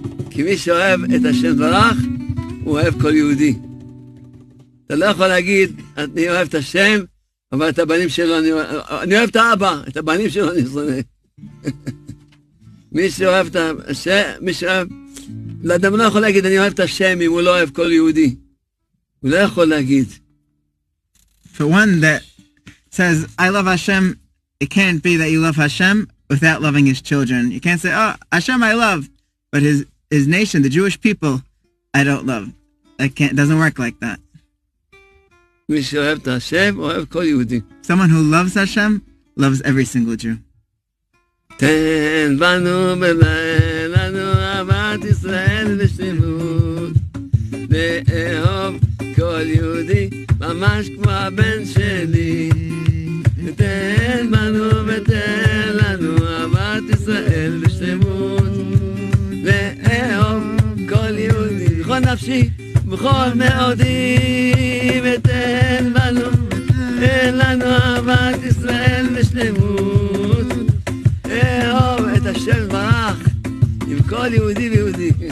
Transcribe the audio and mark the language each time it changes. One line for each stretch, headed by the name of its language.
Hebrew: כי מי שאוהב את השם ברך הוא אוהב כל יהודי אתה לא יכול להגיד אני אוהב את השם אבל את הבנים שלו אני אוהב את האבא את הבנים שלו אני שונא מי שאוהב את השם מי שאוהב לאדם לא יכול להגיד אני אוהב את השם אם הוא לא אוהב כל יהודי הוא לא יכול להגיד
English: for one that says I love Hashem it can't be that you love Hashem without loving his children you can't say oh Hashem I love but his nation the Jewish people I don't love it doesn't work like that
Hebrew: מי שאוהב את השם אוהב כל יהודי
English: someone who loves Hashem loves every single Jew
Hebrew: תן בנו ולנו אהבת ישראל בשלמות לאהוב כל יהודי ממש כמו הבן שלי תן בנו ותן לנו אהבת ישראל בשלמות לאהוב כל יהודי בכל נפשי בכל מאודי ותן בנו ותן לנו אהבת ישראל בשלמות לאהוב את השם ברך עם כל יהודי ויהודי